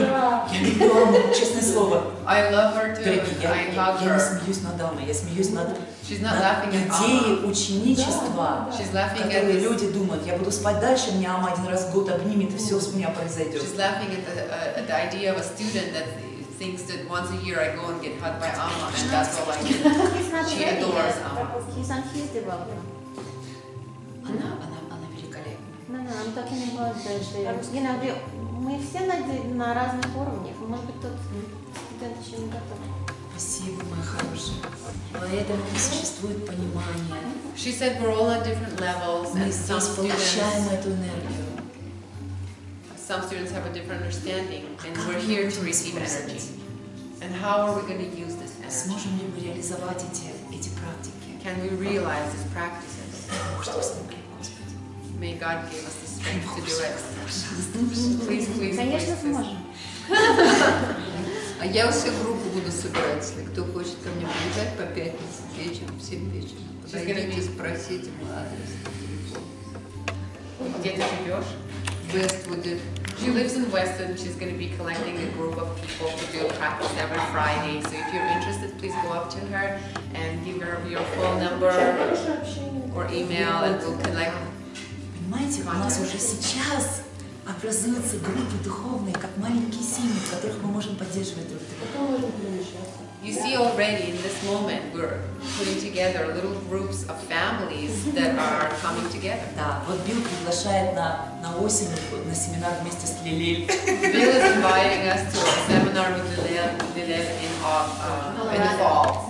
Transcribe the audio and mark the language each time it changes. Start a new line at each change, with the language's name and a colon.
Russian: Я люблю Аму, честное слово.
English: I love her too.
Russian: Я не смеюсь над Амой, я смеюсь над идеей ученичества, которые люди думают, я буду спать дальше, меня Ама один раз в год обнимет, и все с меня произойдет.
English: She's laughing at the idea of a student that thinks that once a year I go and get hugged by Ама, and that's all I need. She adores Ама. He's on his development.
Russian: Она великолепна.
English: No, I'm talking about the, you know,
Russian: мы все на разных уровнях. Может быть, тот студент еще не готов. Спасибо, моя хорошая. Поэтому существует понимание.
English: She said we're all at different levels.
Russian: Мы здесь получаем эту энергию.
English: Some students have a different understanding, and we're here to receive energy. And how are we going to use this energy?
Russian: Сможем ли мы реализовать эти практики?
English: Can we realize these practices?
Russian: Что смогли, Господи?
English: May God give us the strength to do it. Please.
Russian: А я всю группу буду собирать, если кто хочет ко мне приезжать по пятницам вечером, 7 вечера. Подойдите, спросите мой адрес. Где ты живешь? В Вествуде.
English: She lives in Weston. She's going to be collecting a group of people to do a practice every Friday. So if you're interested, please go up to her and give her your phone number or email, and we'll collect.
Russian: Понимаете, у нас уже сейчас образуются группы духовные, как маленькие семьи, в которых мы можем поддерживать друг друга.
English: You see already in this moment we're putting together little groups of families that are coming together.
Russian: Да, вот Билл приглашает на осень на семинар вместе с Лилель.
English: Билл is inviting us to a seminar with Лилель in the fall.